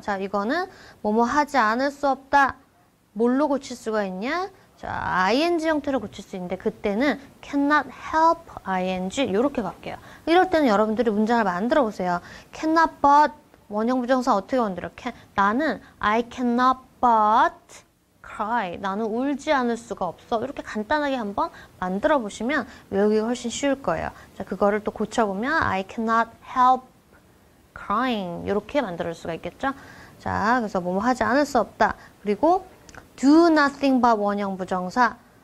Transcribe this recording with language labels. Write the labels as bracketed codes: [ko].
[ko] 자, 이거는 뭐뭐 하지 않을 수 없다. 뭘로 고칠 수가 있냐? 자, ing 형태로 고칠 수 있는데 그때는 cannot help ing 이렇게 갈게요. 이럴 때는 여러분들이 문장을 만들어 보세요. cannot but 원형 부정사 어떻게 만들어? 나는 [en] I cannot but cry. [ko] 나는 울지 않을 수가 없어. 이렇게 간단하게 한번 만들어 보시면 외우기가 훨씬 쉬울 거예요. 자, 그거를 또 고쳐보면 [en] I cannot help crying [ko] 이렇게 만들어 줄 수가 있겠죠? 자, 그래서 뭐뭐 하지 않을 수 없다. 그리고 do nothing but 원형 부정사.